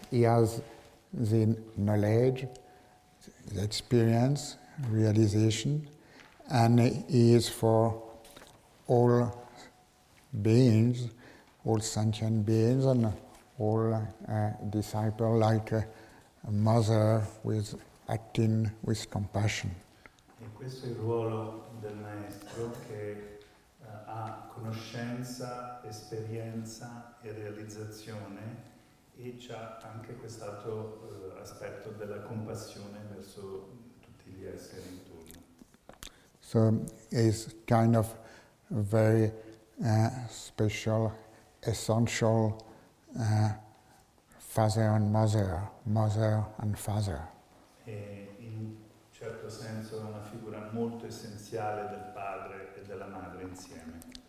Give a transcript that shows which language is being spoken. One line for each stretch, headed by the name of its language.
English: He has the knowledge, the experience, realization, and he is for all beings, all sentient beings, and all disciples, like a mother with acting with compassion.
Italian: E questo è il ruolo del maestro, che ha conoscenza, esperienza e realizzazione, e c'ha anche quest'altro aspetto della compassione verso tutti gli esseri intorno.
English: So is kind of very special, essential father and mother, mother and father.
Italian: E in un certo senso è una figura molto essenziale del padre e della madre insieme.